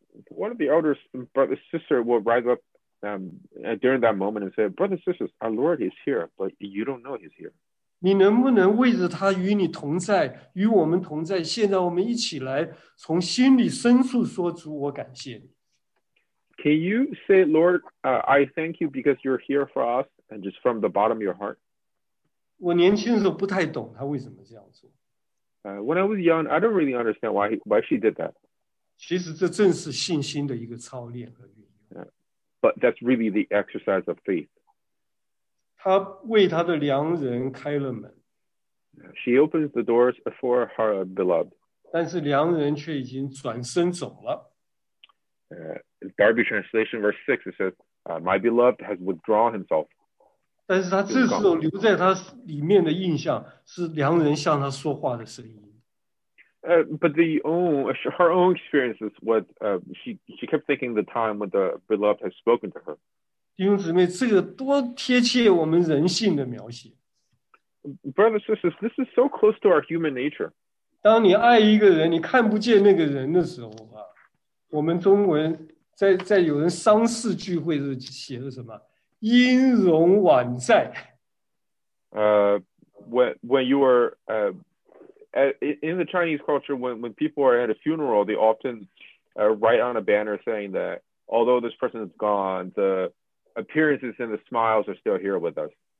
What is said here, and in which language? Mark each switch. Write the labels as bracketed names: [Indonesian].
[English] One of the elder brothers sister will rise up during that moment and say, "Brothers sisters, our Lord is here, but you don't know He's here." [Chinese] 你能不能为着他与你同在，与我们同在？现在我们一起来，从心里深处说：“主，我感谢你。” [English] Can you say, Lord, I thank you because you're here for us, and just from the bottom of your heart? [Chinese] 我年轻的时候不太懂他为什么这样做。 [English] When I was young, I don't really understand why she did that. [Chinese] 其实这正是信心的一个操练和运用。 [English] But that's really the exercise of faith. [Chinese] 他为他的良人开了门。 [English] She opens the doors for her beloved. [Chinese] 但是良人却已经转身走了。 [English] Darby translation verse 6, it says, my beloved has withdrawn himself. [Chinese] 但是他这时候留在他里面的印象是良人向他说话的声音。 [English] But her own experiences was, she kept thinking the time when the beloved has spoken to her. [Chinese] 弟兄姊妹，这个多贴切我们人性的描写。 [English] Brothers, sisters, this is so close to our human nature. [Chinese] 当你爱一个人，你看不见那个人的时候啊，我们中文在有人丧事聚会是写的什么？音容宛在。 [English] When you are in the Chinese culture, when people are at a funeral, they often write on a banner saying that although this person is gone, the appearances and the smiles are still here with us.